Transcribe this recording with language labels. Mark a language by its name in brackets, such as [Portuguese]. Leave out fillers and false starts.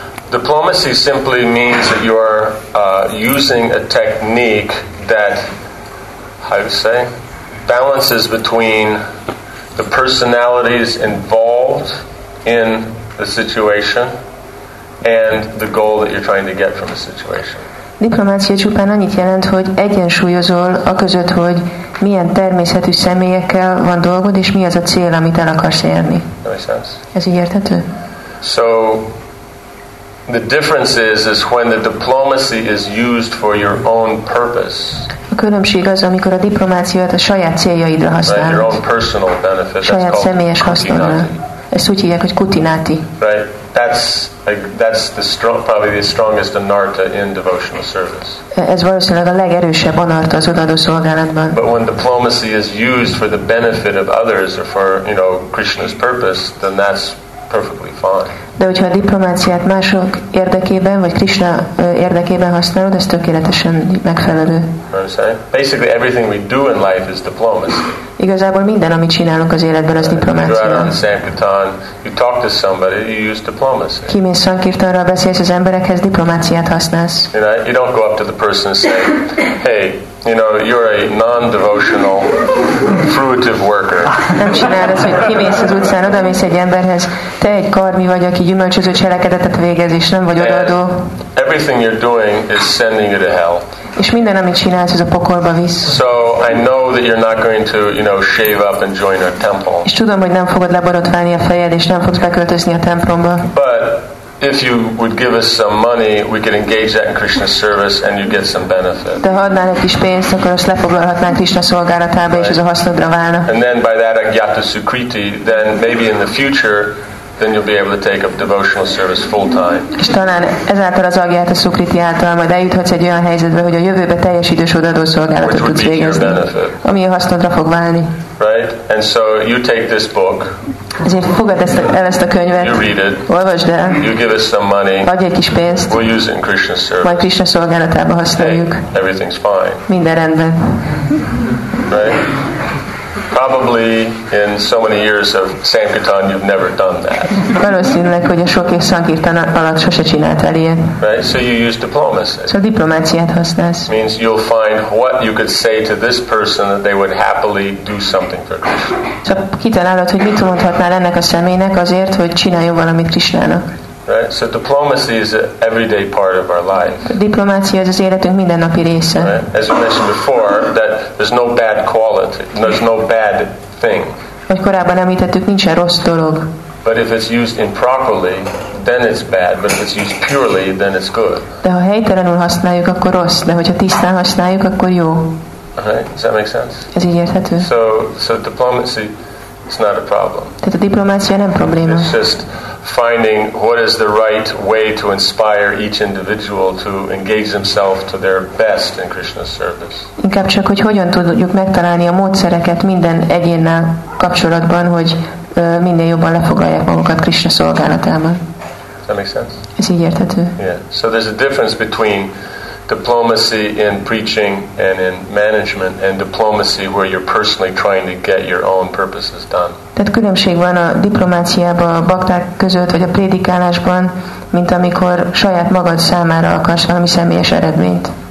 [English] Diplomacy simply means that you are using a technique that, how do you say, balances between the personalities involved in the situation and the goal that you're trying to get from the situation. [Hungarian] Diplomácia csupán annyit jelent, hogy egyensúlyozol a között, hogy milyen természetű személyekkel van dolgod, és mi az a cél, amit el akarsz érni. Ez így érthető? [English] So the difference is when the diplomacy is used for your own purpose. [Hungarian] A különbség az, amikor a diplomáciát a saját céljaidra használod. [English] Right, your own personal benefit. [Hungarian] Saját személyes hasznodra. Ezt úgy hívják, hogy kutináti. [English] Right. That's the strong, probably the strongest anartha in devotional service. [Hungarian] Ez valószínűleg a legerősebb anartha az odaadó szolgálatban. [English] But when diplomacy is used for the benefit of others or for, you know, Krishna's purpose, then that's perfectly fine. [Hungarian] De hogyha a diplomáciát mások érdekében vagy Krishna érdekében használod, ez tökéletesen megfelelő. [English] Basically everything we do in life is diplomacy. [Hungarian] Igazából minden, amit csinálunk az életben, az diplomácia. [English] You go out on the Sankirtan, you talk to somebody, you use diplomacy. [Hungarian] Kimész Sankirtanra, beszélsz az emberekhez, diplomáciát használsz. [English] You know, you don't go up to the person and say, hey, you know, you're a non-devotional fruitive worker. [Hungarian] Nem csinálod azt, hogy kimész az utcán, odamész egy emberhez, te egy karmi vagy, aki gyümölcsöző cselekedetet végez, és nem vagy odaadó. [English] Everything you're doing is sending you to hell. [Hungarian] És minden, amit csinálsz, az a pokolba visz. [English] So I know that you're not going to, you know, shave up and join our temple. [Hungarian] És tudom, hogy nem fogod leborotválni a fejed, és nem fogsz beköltözni a templomba. [English] But if you would give us some money, we could engage that in Krishna's service and you get some benefit. [Hungarian] De ha adnál egy kis pénzt, akkor azt lefoglalhatnánk Krishna szolgálatába, és ez a hasznodra válna. [English] And then by that agyata sukriti, then maybe in the future, then you'll be able to take up devotional service full time. [Hungarian] És talán ezáltal az agyata sukriti által majd eljuthatsz egy olyan helyzetbe, hogy a jövőbe teljes idős odaadó szolgálatot tudsz végezni, ami a hasznodra fog válni. [English] Right? And so you take this book. [Hungarian] Ezért fogad ezt a könyvet. [English] You read it. [Hungarian] Olvasd el. [English] You give us some money. [Hungarian] Adj egy kis pénzt. [English] We'll use it in Krishna's service. [Hungarian] Majd Krishna szolgálatába használjuk. [English] Hey, everything's fine. [Hungarian] Minden rendben. [English] Right? Probably in so many years of Sankirtan you've never done that. [Hungarian] Valószínűleg, hogy a sok év Sankirtan alatt sose csináltál ilyet. [English] Right? So you use diplomacy. [Hungarian] Szóval diplomáciát használsz. [English] Means you'll find what you could say to this person that they would happily do something for Krishna. [Hungarian] Szóval kitalálod, hogy mit mondhatnál ennek a személynek azért, hogy csináljon valamit Krishnának. [English] Right? So diplomacy is an everyday part of our life. [Hungarian] Diplomácia az életünk mindennapi része. [English] Right? As we mentioned before, that there's no bad quality, there's no bad thing. [Hungarian] Hogy korábban említettük, nincsen rossz dolog. [English] But if it's used improperly, then it's bad. But if it's used purely, then it's good. [Hungarian] De ha helytelenül használjuk, akkor rossz. De hogyha tisztán használjuk, akkor jó. [English] Right? Does that make sense? [Hungarian] Ez így érthető. [English] So diplomacy is not a problem. [Hungarian] Tehát a diplomácia nem probléma. [English] It's just finding what is the right way to inspire each individual to engage themselves to their best in Krishna's service. [Hungarian] Inkább csak, hogy hogyan tudjuk megtalálni a módszereket minden egyénnel kapcsolatban, hogy minden jobban lefoglalják magukat Krishna szolgálatában. [English] Does that make sense? [Hungarian] Ez így érthető. [English] Yeah. So there's a difference between diplomacy in preaching and in management and diplomacy where you're personally trying to get your own purposes done. [Hungarian] Tehát különbség van a diplomáciában, a bakták között, vagy a prédikálásban, mint amikor saját magad számára akarsz valami személyes eredményt.